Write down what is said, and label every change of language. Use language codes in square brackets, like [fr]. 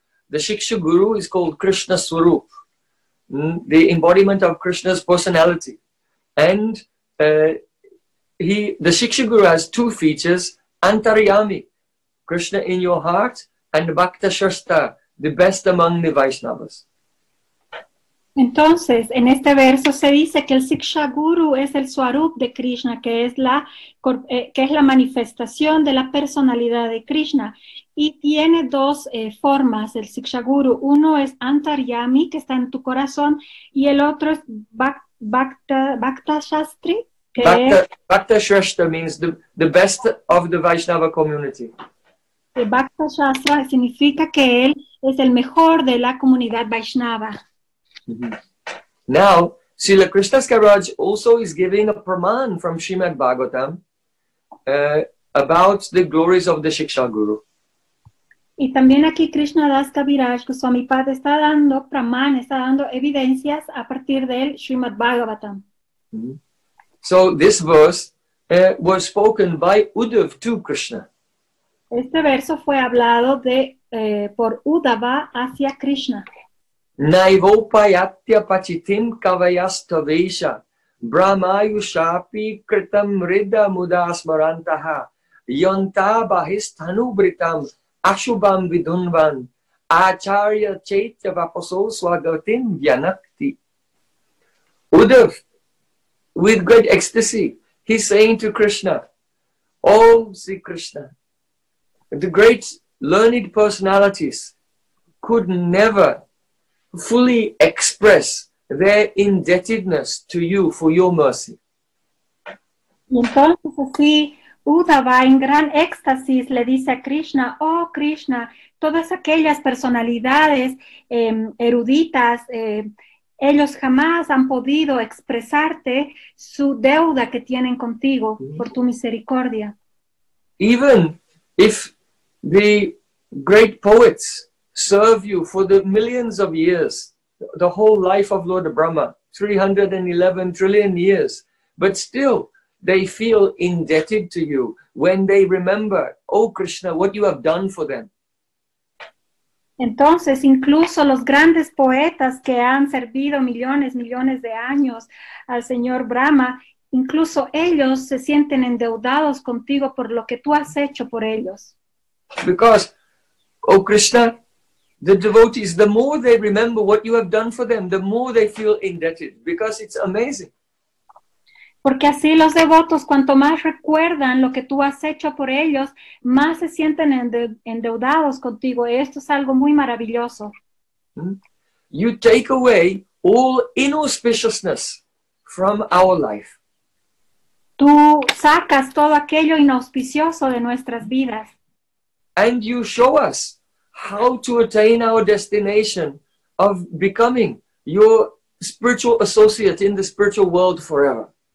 [en] The Shiksha Guru is called Krishna Swarup, the embodiment of Krishna's personality. And the Shiksha Guru has two features, Antaryami, Krishna in your heart, and Bhakta Shrestha, the best among the Vaishnavas. [es] Entonces, en este verso se dice que el Shiksha Guru es el Swarup de Krishna, que es la manifestación de la personalidad de Krishna. Y tiene dos formas el Shiksha Guru. Uno es Antaryami, que está en tu corazón, y el otro es Bhakta Shastri. [en] Bhakta Shrestha means the best of the Vaishnava community. [es] Bhakta Shastra significa que él es el mejor de la comunidad Vaishnava. Mm-hmm. [en] Now, Srila Krishna Kaviraj also is giving a praman from Srimad Bhagavatam about the glories of the Shiksha Guru. [es] Y también aquí Krishna Das Kaviraj Goswami Pad está dando praman, está dando evidencias a partir del Srimad Bhagavatam. Mm-hmm. [en] So this verse was spoken by Uddhav to Krishna. [es] Este verso fue hablado de por Uddhava hacia Krishna. [sa] Naivopayatya pachitim kavayastavesha brahmayushapi kritam rida mudasmarantaha yanta bahisthanubritam ashubam vidunvan acharya chaitya vaposo swagatim vyanakti. [en] Uddhav, with great ecstasy, he's saying to Krishna, oh Sri Krishna, the great learned personalities could never fully express their indebtedness to you for your mercy. [es] Entonces, así Uddhava en gran éxtasis le dice a Krishna, oh Krishna, todas aquellas personalidades eruditas, ellos jamás han podido expresarte su deuda que tienen contigo por tu misericordia. [en] Even if the great poets serve you for the millions of years, the whole life of Lord Brahma, 311 trillion years, but still they feel indebted to you when they remember, oh Krishna, what you have done for them. [es] Entonces, incluso los grandes poetas que han servido millones, millones de años al Señor Brahma, incluso ellos se sienten endeudados contigo por lo que tú has hecho por ellos. [en] Because, oh Krishna, the devotees, the more they remember what you have done for them, the more they feel indebted, because it's amazing. [es] Porque así los devotos, cuanto más recuerdan lo que tú has hecho por ellos, más se sienten endeudados contigo. Esto es algo muy maravilloso. [en] You take away all inauspiciousness from our life. [es] Tú sacas todo aquello inauspicioso de nuestras vidas. [en] And you show us how to attain our destination of becoming your spiritual associate in the spiritual world forever.